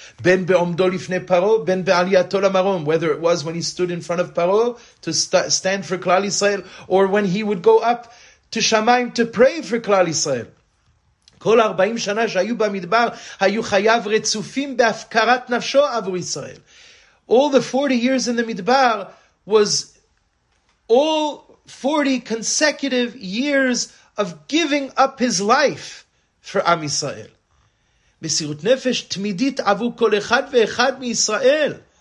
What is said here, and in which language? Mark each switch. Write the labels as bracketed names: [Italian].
[Hebrew] Ben be'omdo lifnei Paro, ben be'aliyato l'marom. [English] Whether it was when he stood in front of Paro to stand for Klal Yisrael, or when he would go up to Shamayim to pray for Klal Yisrael. [Hebrew] כל 40 שנה שהיו במדבר היו חייו רצופים בהפקרת נפשו עבור ישראל. [English] All the 40 years in the midbar was all 40 consecutive years of giving up his life for Am Yisrael. [Hebrew] מסירות נפש תמידית עבור כל אחד ואחד מישראל.